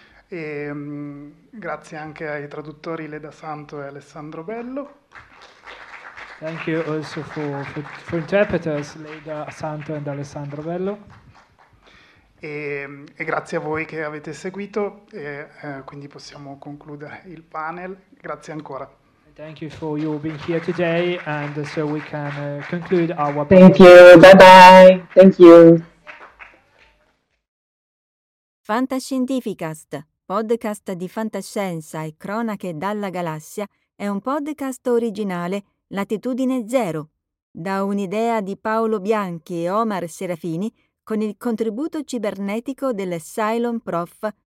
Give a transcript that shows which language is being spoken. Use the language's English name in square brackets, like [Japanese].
[Italian] E grazie anche ai traduttori Leda Santo e Alessandro Bello. [English] Thank you also for interpreters Leda Santo and Alessandro Bello. [Italian] E grazie a voi che avete seguito, quindi possiamo concludere il panel. Grazie ancora. [English] Thank you for you being here today, and so we can conclude our panel. Thank you. Bye-bye. Thank you. [Italian] Fantascientificast, podcast di fantascienza e cronache dalla galassia, è un podcast originale Latitudine Zero, da un'idea di Paolo Bianchi e Omar Serafini, con il contributo cibernetico del Cylon Prof.